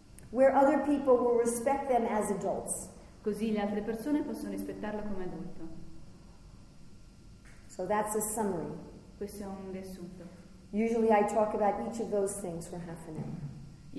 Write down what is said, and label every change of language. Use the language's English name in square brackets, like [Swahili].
[English] where other people will respect them as adults. [Italian] Così le altre persone possono rispettarlo come adulto. [English] So that's a summary. [Italian] Questo è un riassunto. [English] Usually I talk about each of those things for half an hour.